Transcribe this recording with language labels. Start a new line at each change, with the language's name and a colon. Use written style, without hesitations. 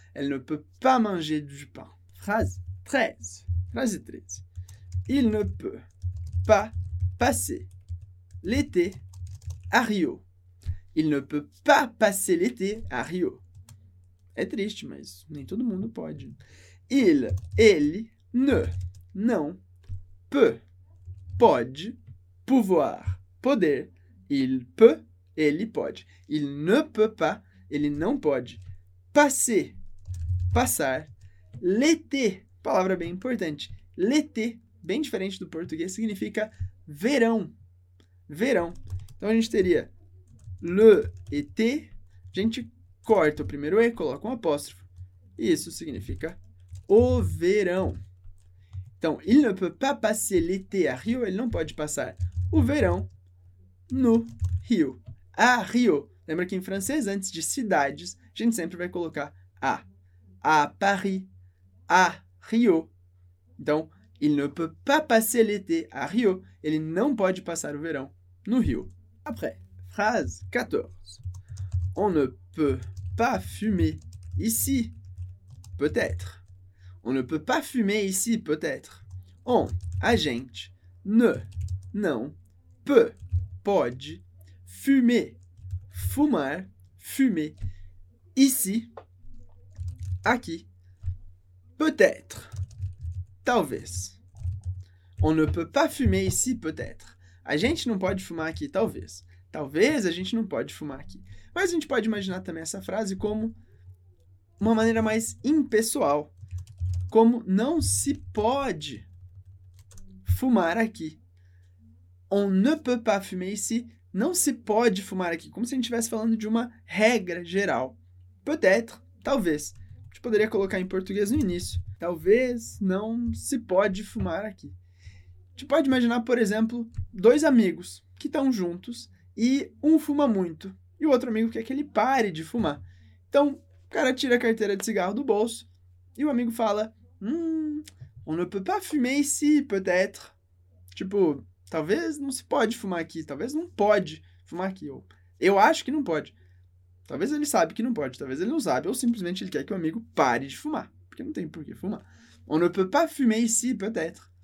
French: Elle ne peut pas manger du pain. Phrase 13. Phrase 13. Il ne peut pas passer l'été à Rio. Il ne peut pas passer l'été à Rio.
Portuguese: É triste, mas nem todo mundo pode. Il, ele, ne, não, peut, pode, pouvoir, poder.
French: Il peut,
Portuguese: ele pode.
French: Il ne peut pas.
Portuguese: Ele não pode passer, passar, l'été, palavra bem importante, l'été, bem diferente do português, significa verão, verão. Então, a gente teria le été, a gente corta o primeiro E, coloca um apóstrofo, e isso significa o verão. Então,
French: il ne peut pas passer l'été à Rio,
Portuguese: ele não pode passar o verão no Rio, à Rio. Lembra que em francês, antes de cidades, a gente sempre vai colocar a. A Paris, a Rio.
French: Então, il ne peut pas passer l'été à Rio.
Portuguese: Ele não pode passar o verão no Rio.
French: Après, phrase 14. On ne peut pas fumer ici, peut-être. On ne peut pas fumer ici, peut-être.
Portuguese: On, a gente, ne, não, peut, pode, fumer. Fumar, fumer, ici, aqui, peut-être, talvez.
French: On ne peut pas fumer ici, peut-être.
Portuguese: A gente não pode fumar aqui, talvez. Talvez a gente não pode fumar aqui. Mas a gente pode imaginar também essa frase como uma maneira mais impessoal. Como não se pode fumar aqui.
French: On ne peut pas fumer ici.
Portuguese: Não se pode fumar aqui, como se a gente estivesse falando de uma regra geral. Peut-être, talvez. Tu poderia colocar em português no início. Talvez não se pode fumar aqui. Tu pode imaginar, por exemplo, dois amigos que estão juntos e um fuma muito e o outro amigo quer que ele pare de fumar. Então, o cara tira a carteira de cigarro do bolso e o amigo fala:
French: on ne peut pas fumer ici, peut-être.
Portuguese: Tipo, talvez não se pode fumar aqui, talvez não pode fumar aqui. Ou eu acho que não pode. Talvez ele sabe que não pode, talvez ele não sabe, ou simplesmente ele quer que o amigo pare de fumar, porque não tem por que fumar.
French: On ne peut pas fumer ici, peut-être.